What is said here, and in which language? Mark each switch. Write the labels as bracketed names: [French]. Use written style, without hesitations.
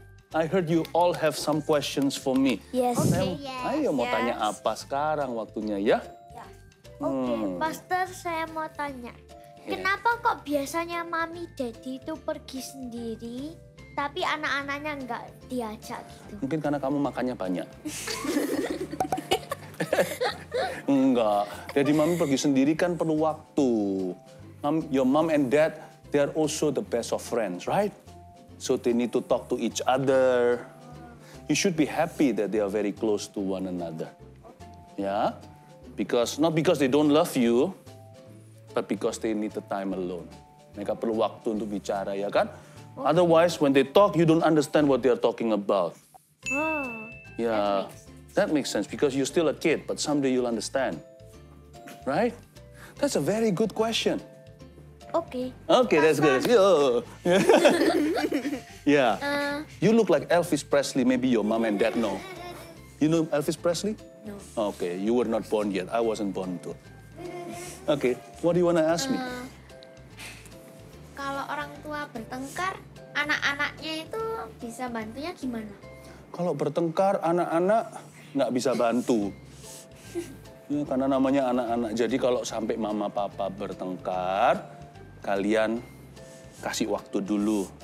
[English] I heard you all have some questions for me. Yes. Okay. [Indonesian] Ayo mau tanya apa sekarang waktunya ya? Oke, Pastor, saya mau tanya. Kenapa kok biasanya mami daddy itu pergi sendiri? Tapi anak-anaknya nggak diajak gitu. Mungkin karena kamu makannya banyak. Enggak. Jadi mami pergi sendiri kan perlu waktu. [English] Your mom and dad, they are also the best of friends, right? So they need to talk to each other. You should be happy that they are very close to one another. Yeah? Because, not because they don't love you, but because they need the time alone. [Indonesian] Mereka perlu waktu untuk bicara, ya kan? [English] Otherwise, when they talk, you don't understand what they are talking about. Oh, yeah, that makes sense because you're still a kid, but someday you'll understand. Right? That's a very good question. Okay, that's good. Yeah. You look like Elvis Presley. Maybe your mom and dad know. You know Elvis Presley? No. Okay, you were not born yet. I wasn't born too. Okay, what do you want to ask me? [Indonesian] Kalau orang tua bertengkar, anak-anaknya itu bisa bantunya gimana? Kalau bertengkar, anak-anak nggak bisa bantu. Ya, karena namanya anak-anak. Jadi kalau sampai mama papa bertengkar, kalian kasih waktu dulu.